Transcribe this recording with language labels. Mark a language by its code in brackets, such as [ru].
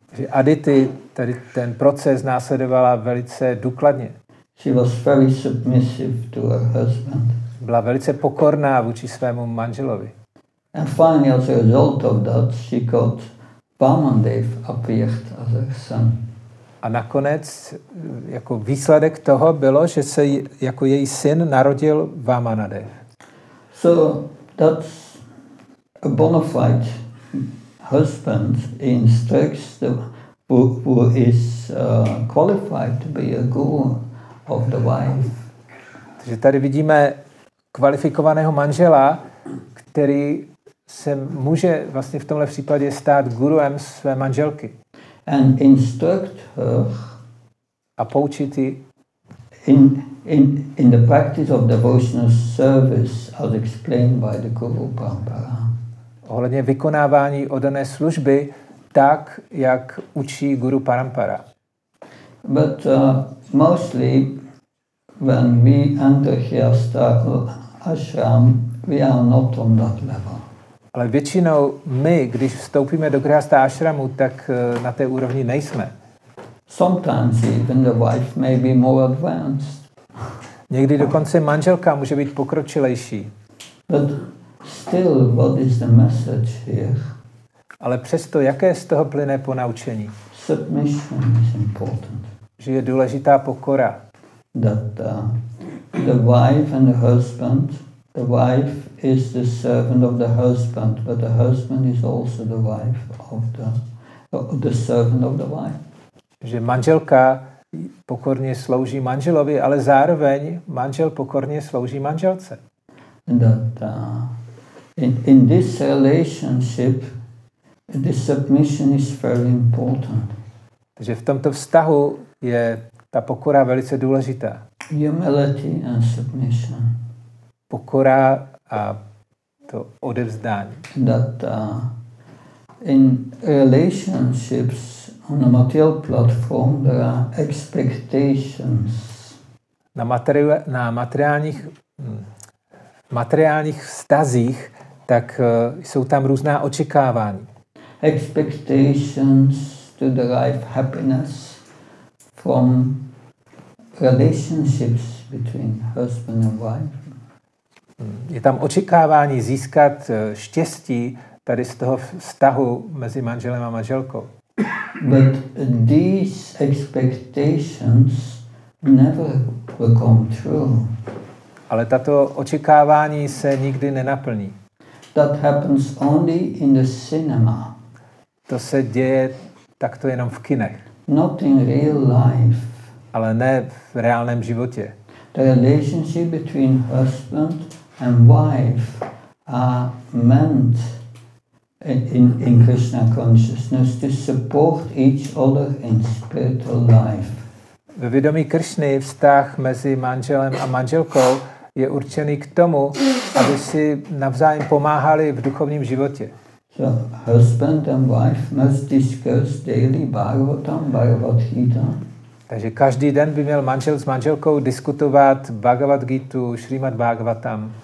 [cs] Adity tady ten proces následovala velice důkladně. [en] She was very submissive to her husband. [cs] Byla velice pokorná vůči svému manželovi. [en] And finally, as a result of that, she got Vamandev appeared as her son. [cs] A nakonec, jako výsledek toho bylo, že se jako její syn narodil Vamanadev. [en] So that's a bona fide husband instructs who is qualified to be a guru of the wife. [cs] Takže tady vidíme kvalifikovaného manžela, který se může vlastně v tomhle případě stát guruem své manželky. [en] And instruct her [cs] a poučit ji [en] in the practice of devotional service as explained by the Guru Parampara. [cs] Ohledně vykonávání oddané služby tak, jak učí Guru Parampara. [en] But mostly when we enter Hyastaku ashram, we are not on that level. [cs] Ale většinou my, když vstoupíme do grihastha ášramu, tak na té úrovni nejsme. [en] Sometimes even the wife may be more advanced. [cs] Někdy dokonce manželka může být pokročilejší. [en] But still, what is the message here? [cs] Ale přesto, jaké z toho plyne ponaučení? [en] Submission is important. [cs] Že je důležitá pokora. [en] That the wife and the husband, the wife is the servant of the husband, but the husband is also the wife of the servant of the wife. [cs] Že manželka pokorně slouží manželovi, ale zároveň manžel pokorně slouží manželce. [en] That in this relationship, this submission is very important. [cs] Takže v tomto vztahu je ta pokora velice důležitá. [en] Humility and submission. [cs] Pokora a to odevzdání. [en] That in relationships on a material platform there are expectations. [cs] Na materiálních vztazích tak jsou tam různá očekávání. [en] Expectations to derive happiness from relationships between husband and wife. [cs] Je tam očekávání získat štěstí tady z toho vztahu mezi manželem a manželkou. [en] But these expectations never will come true. [cs] Ale tato očekávání se nikdy nenaplní. [en] That happens only in the cinema. [cs] To se děje takto jenom v kinech. [en] Not in real life. [cs] Ale ne v reálném životě. [en] The relationship between husband and wife are meant in Krishna consciousness to support each other in spiritual life. [cs] Ve vědomí Kršny vztah mezi manželem a manželkou je určený k tomu, aby si navzájem pomáhali v duchovním životě. [en] So husband and wife must discuss daily Bhagavatam, Bhagavad Gita. [cs] Takže každý den by měl manžel s manželkou diskutovat Bhagavad Gitu, Srimad Bhagavatam.